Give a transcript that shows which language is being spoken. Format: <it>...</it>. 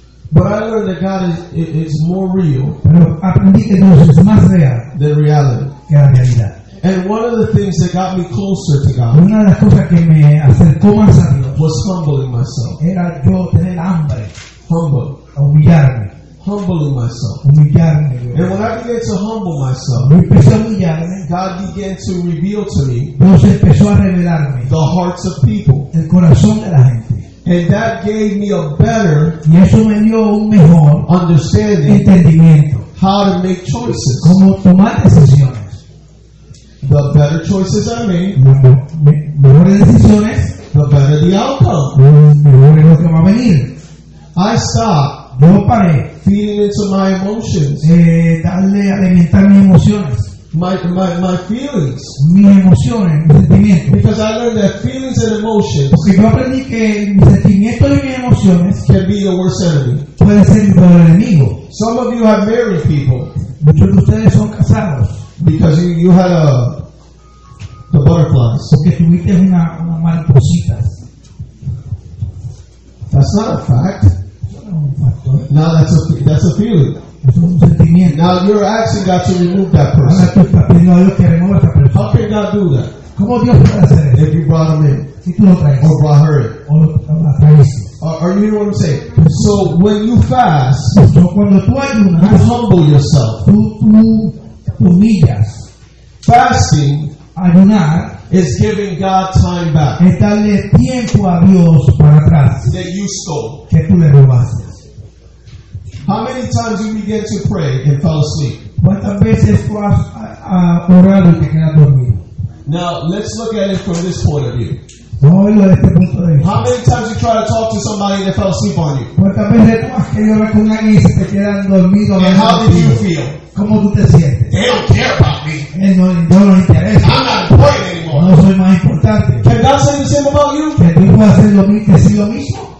<en>But I learned that God is more real,</en> <es>pero aprendí que Dios es más real</es> <en>than reality.</en> <es>Que la realidad.</es> <en>And one of the things that got me closer to God,</en> <es>una de las cosas que me acercó más a Dios,</es> <en>was humbling myself.</en> <es>Era yo tener hambre.</es> <en>Humble.</en> <es>Humillarme.</es> <en>Humbling myself.</en> <es>Humillarme.</es> <en>And when I began to humble myself,</en> <es>yo empecé a humillarme,</es> <en>God began to reveal to me,</en> <es>Dios empezó a revelarme,</es> <en>the hearts of people.</en> <es>El corazón de la gente.</es> <en>And that gave me a better</en> <es>y eso me dio un mejor</es> <en>understanding,</en> <es>entendimiento,</es> <en>how to make choices.</en> <es>Cómo tomar decisiones.</es> <en>The better choices I made,</en> <es>mejores decisiones,</es> <en>the better the outcome.</en> <es>Mejor es lo que va a venir.</es> <en>I stopped,</en> <es>yo paré,</es> <en>feeding into my emotions,</en> <es>darle alimentar mis emociones.</es> <en>My feelings,</en> <es>mis emociones, mis sentimientos.</es> <en>Because I learned that feelings and emotions,</en> <es>porque yo aprendí que mis sentimientos y mis emociones,</es> <en>can be your worst enemy,</en> <es>puede ser mi peor enemigo.</es> <en>Some of you have married people,</en> <es>muchos de ustedes son casados,</es> <en>because you had the butterflies,</en> <es>porque tuviste una mariposita.</es> <en>That's not a fact.</en> <es>No,</es> <en>that's a feeling. Now you're asking God to remove that person. How can God do that?</en> <es>¿Cómo Dios puede hacer eso?</es> <en>If you brought him in,</en> <es>si tú lo traes,</es> <en>or brought her in,</en> <es>o lo traes.</es> <en>Are you hearing what I'm saying? Pues, so when you fast,</en> <es>pues, cuando tú ayunas,</es> <en>you humble yourself.</en> <es>Tú humillas.</es> <en>Fasting,</en> <es>ayunar,</es> <en>is giving God time back.</en> <es>Es darle tiempo a Dios para atrás.</es> <en>That you stole.</en> <es>Que tú le robaste.</es> <en>How many times you begin to pray and fall asleep?</en> <es>¿Cuántas veces tú has orado y te quedas dormido?</es> <en>Now let's look at it from this point of view.</en> <es>Vamos a verlo desde este punto de vista.</es> <en>How many times you try to talk to somebody and they fall asleep on you?</en> <es>¿Cuántas veces tú has querido hablar con alguien y se te quedan dormido?</es> <en>And how did you feel?</en> <es>¿Cómo tú te sientes?</es> <en>They don't care about me.</en> <es>No, no interesa.</es> <en>I'm not important anymore.</en> <es>No soy más importante.</es> <en>Can God say the same about you?</en> <es>¿Que Dios puede hacer lo mismo, decir lo mismo?</es>